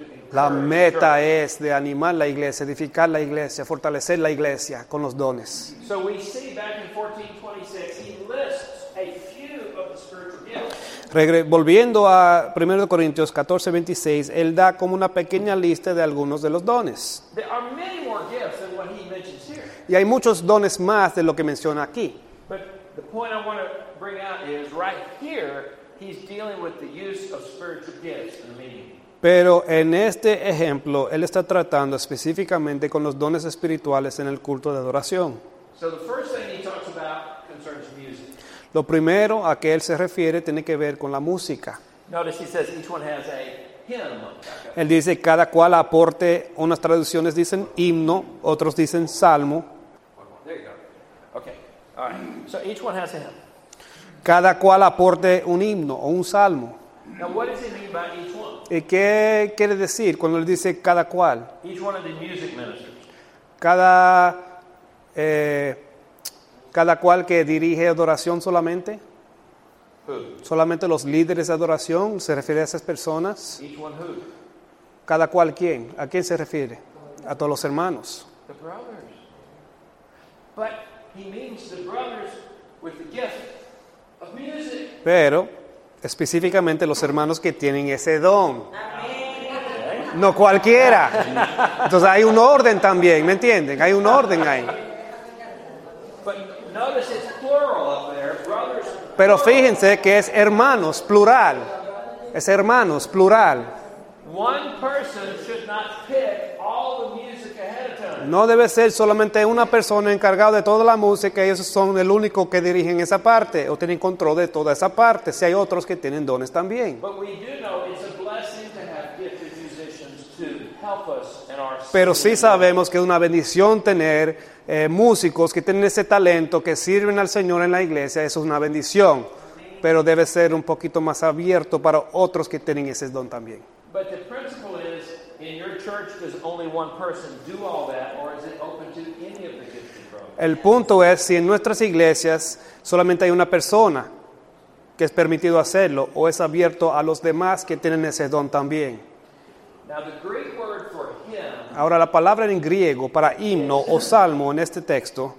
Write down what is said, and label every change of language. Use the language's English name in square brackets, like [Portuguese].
[Spanish] La meta es de animar la iglesia, edificar la iglesia, fortalecer la iglesia con los dones. [English] So we see back in 14:26, he lists a few of the spiritual gifts. [Spanish] Volviendo a 1 Corintios 14:26, él da como una pequeña lista de algunos de los dones. [English] There are many more gifts than what he mentions here. [Spanish] Y hay muchos dones más de lo que menciona aquí. [English] But the point I want to bring out is right here, he's dealing with the use of spiritual gifts and meaning. [Spanish] Pero en este ejemplo, él está tratando específicamente con los dones espirituales en el culto de adoración. [English] So the first thing he talks about concerns music. [Spanish] Lo primero a que él se refiere tiene que ver con la música. [English] Notice he says each one has a hymn. [Spanish] Él dice cada cual aporte, unas traducciones dicen himno, otros dicen salmo. [English] There you go. Okay. All right. So each one has a hymn. [Spanish] Cada cual aporte un himno o un salmo. [English] Now what does he mean by each one? [Spanish] ¿Y qué quiere decir cuando él dice cada cual? [English] Each one of the music ministers. [Spanish] Cada cual que dirige adoración solamente. [English] Who? [Spanish] Solamente los líderes de adoración. ¿Se refiere a esas personas? [English] Each one who? [Spanish] Cada cual quién. ¿A quién se refiere? A todos los hermanos. [English] The brothers. But he means the brothers with the gift of music. [Spanish] Pero específicamente los hermanos que tienen ese don. Amén. No cualquiera. Entonces hay un orden también, ¿me entienden? Hay un orden ahí. [English] Notice it's plural up there, brothers. [Spanish] Pero fíjense que es hermanos, plural. Es hermanos, plural. [English] One person should not pick all the music ahead of time. [Spanish] No debe ser solamente una persona encargada de toda la música, ellos son el único que dirigen esa parte o tienen control de toda esa parte, si hay otros que tienen dones también. [English] But we do know it's a blessing to have gifted musicians to help us in our [Spanish] Pero sí sabemos que es una bendición tener músicos que tienen ese talento, que sirven al Señor en la iglesia, eso es una bendición. Pero debe ser un poquito más abierto para otros que tienen ese don también. [English] But the principle is, in your church, does only one person do all that, or is it open to any of the gifted programs? [Spanish] El punto es, si en nuestras iglesias solamente hay una persona que es permitido hacerlo, o es abierto a los demás que tienen ese don también. [English] Now, the Greek word for hymn, [Spanish] ahora, la palabra en griego para himno o salmo en este texto,